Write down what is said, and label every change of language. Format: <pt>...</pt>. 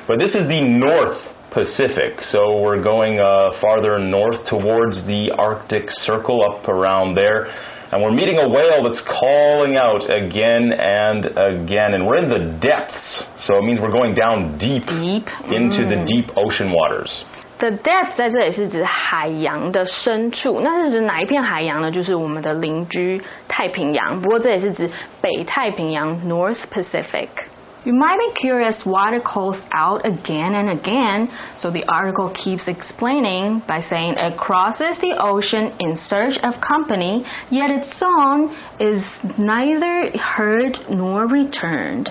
<en>But this is the North Pacific, so we're going farther north towards the Arctic Circle up around there. And we're meeting a whale that's calling out again and again. And we're in the depths, so it means we're going down deep into the deep ocean waters. The depth</en> <zh>在这里是指海洋的深处，那是指哪一片海洋呢？就是我们的邻居太平洋。不过这也是指北太平洋 North Pacific.</zh> <en>You might be curious why it calls out again and again. So the article keeps explaining by saying it crosses the ocean in search of company, yet its song is neither heard nor returned.</en>